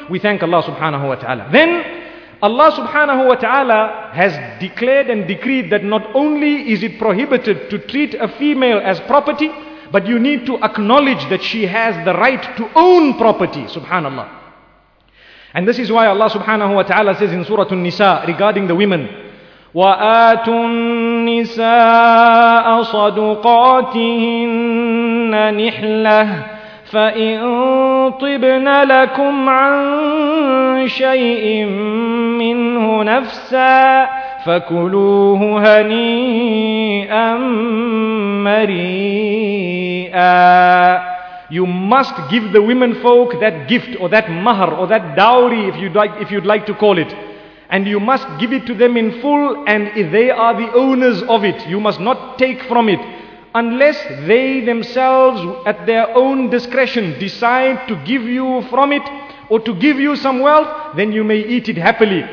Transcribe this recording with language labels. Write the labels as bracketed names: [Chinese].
[English] We thank Allah subhanahu wa ta'ala. Then Allah subhanahu wa ta'ala has declared and decreed that not only is it prohibited to treat a female as property, but you need to acknowledge that she has the right to own property. Subhanallah. And this is why Allah subhanahu wa ta'ala says in Surah An-Nisa regarding the women, [Arabic] وَآتُنَّ النساء صدقاتهن نحلة فإن طبن لكم عن شيء منه نفسا فكلوه هنيئا مريئا. [English] You must give the women folk that gift or that mahar or that dowry, if you'd like to call it. And you must give it to them in full, and if they are the owners of it, you must not take from it. Unless they themselves at their own discretion decide to give you from it or to give you some wealth, then you may eat it happily.